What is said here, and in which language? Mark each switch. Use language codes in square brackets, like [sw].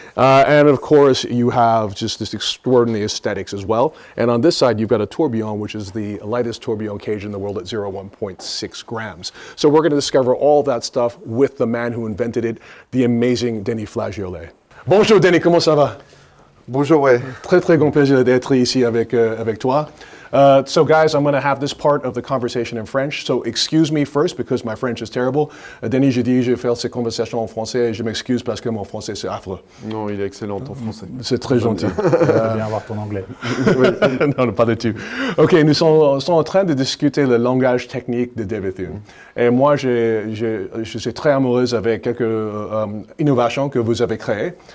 [en] And of course, you have just this extraordinary aesthetics as well. And on this side, you've got a tourbillon, which is the lightest tourbillon cage in the world at 0.6 grams. So we're going to discover all that stuff with the man who invented it, the amazing Denis Flageolet. [fr] Bonjour, Denis, comment ça va? Bonjour, ouais. Très, très grand plaisir d'être ici avec, avec toi. [en] So guys, I'm going to have this part of the conversation in French. So excuse me first, because my French is terrible. [fr] Denis, je dis, je vais faire cette conversation en français et je m'excuse parce que mon français, c'est affreux. Non, il est excellent, ton français. C'est très gentil. Bien avoir ton anglais. Oui. Non, pas de tu. OK, nous sommes en train de discuter le langage technique de Bethune. Et moi, je suis très amoureuse avec quelques innovations que vous avez créées.